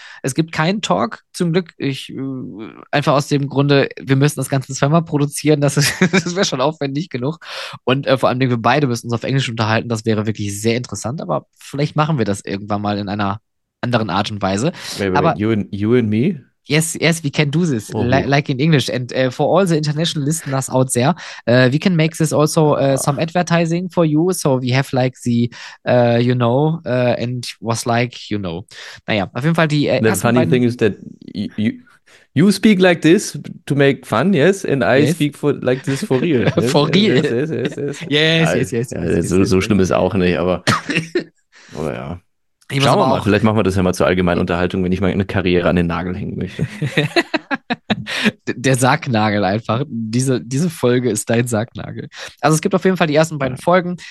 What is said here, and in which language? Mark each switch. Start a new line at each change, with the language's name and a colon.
German: Es gibt keinen Talk, zum Glück. Einfach aus dem Grunde, wir müssen das Ganze zweimal produzieren. Das wäre schon aufwendig genug. Und vor allen Dingen, wir beide müssen uns auf Englisch unterhalten. Das wäre wirklich sehr interessant. Aber vielleicht machen wir das irgendwann mal in einer anderen Art und Weise. Aber
English: you and me? Yes, we can do this, like in English. And for all the international listeners out there, we can make this also some advertising for you. So we have like the, and was like, you know.
German: Naja, auf jeden Fall die
English: The funny beiden thing is that you speak like this to make fun, yes? And I speak for like this for real. For real. Yes.
German: So schlimm ist auch nicht, aber oder ja. Schauen wir mal, vielleicht machen wir das ja mal zur allgemeinen Unterhaltung, wenn ich mal eine Karriere an den Nagel hängen möchte. Der Sargnagel einfach. Diese Folge ist dein Sargnagel. Also es gibt auf jeden Fall die ersten beiden Folgen.